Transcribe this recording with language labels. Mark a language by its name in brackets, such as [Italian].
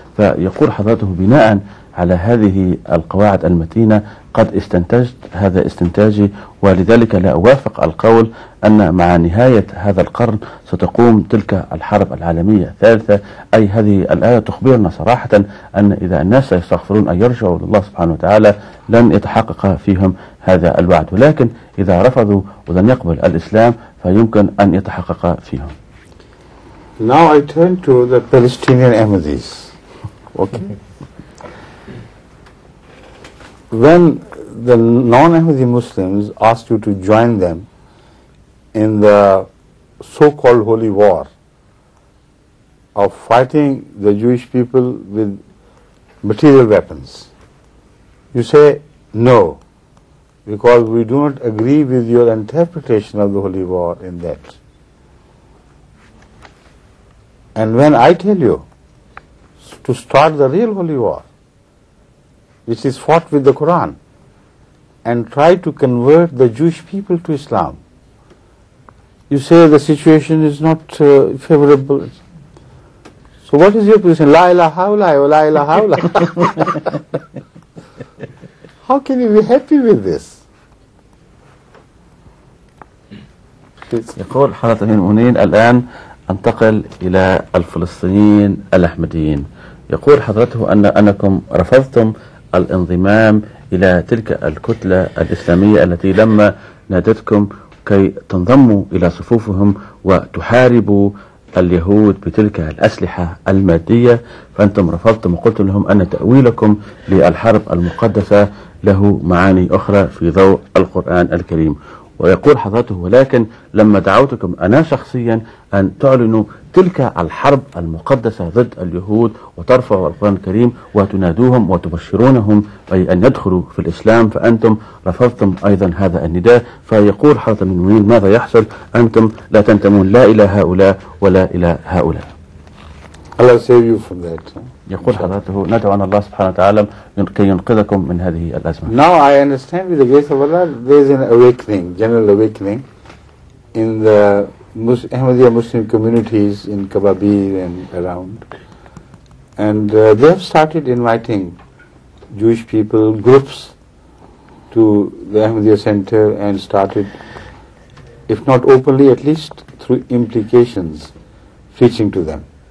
[Arabic] فيقول حضرته بناء على هذه القواعد المتينة قد استنتجت هذا استنتاجي، ولذلك لا أوافق القول أن مع نهاية هذا القرن ستقوم تلك الحرب العالمية الثالثة. أي هذه الآية تخبرنا صراحة أن إذا الناس يستغفرون أن يرجعوا لله سبحانه وتعالى لن يتحقق فيهم هذا الوعد، ولكن إذا رفضوا ولن يقبل الإسلام فيمكن أن يتحقق فيهم. [English] Now I turn to the Palestinian embassies. Okay. When the non-Ahmadi Muslims asked you to join them in the so-called holy war of fighting the Jewish people with material weapons, you say no, because we do not agree with your interpretation of the holy war in that. And when I tell you to start the real holy war, which is fought with the Quran, and try to convert the Jewish people to Islam, you say the situation is not favorable. So what is your position? [Arabic] La ilaha illallah, wa la ilaha illallah. [English] How can you be happy with this? [Arabic] يقول حضرة المؤمنين الآن أنتقل إلى الفلسطينيين الأحمديين. يقول حضرته أنكم رفضتم الانضمام إلى تلك الكتلة الإسلامية التي لما نادتكم كي تنضموا إلى صفوفهم وتحاربوا اليهود بتلك الأسلحة المادية، فأنتم رفضتم وقلت لهم أن تأويلكم للحرب المقدسة له معاني أخرى في ضوء القرآن الكريم. ويقول حضرته ولكن لما دعوتكم أنا شخصيا أن تعلنوا تلك الحرب المقدسة ضد اليهود وترفعوا القرآن الكريم وتنادوهم وتبشرونهم أي أن يدخلوا في الإسلام، فأنتم رفضتم أيضا هذا النداء. فيقول حضرة المؤمنين ماذا يحصل؟ أنتم لا تنتمون لا إلى هؤلاء ولا إلى هؤلاء. [English] Allah save you from that. [Arabic] يقول حضرته ندعو أن الله سبحانه وتعالى كي ينقذكم من هذه الأزمة. [English] Now I understand with the grace of Allah there is an awakening, general awakening in the Ahmadiyya Muslim communities in Kababir and around, and they have started inviting Jewish people groups to the Ahmadiyya Center and started, if not openly, at least through implications, preaching to them.